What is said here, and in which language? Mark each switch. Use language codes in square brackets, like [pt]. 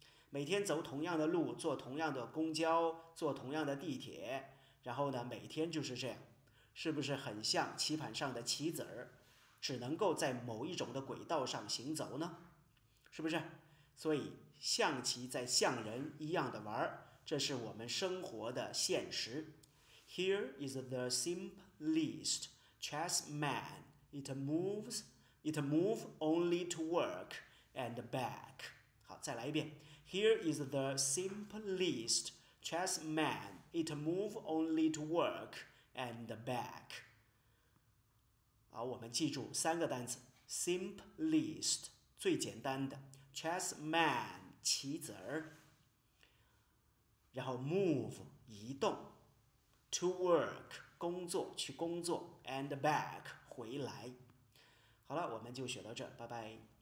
[zh] 每天走同样的路，坐同样的公交，坐同样的地铁，然后呢每天就是这样，是不是很像棋盘上的棋子儿，只能够在某一种的轨道上行走呢？是不是？所以象棋在像人一样的玩儿。这是我们生活的现实。 [en] Here is the simplest chess man. It moves only to work and back. [zh] 好，再来一遍。 [en] Here is the simplest chess man. It moves only to work and back. [zh] 好，我们记住三个单词： simplest 最简单的， chess man 棋子儿。然后 move 移动， to work 工作，去工作， and back 回来。好了，我们就学到这，拜拜。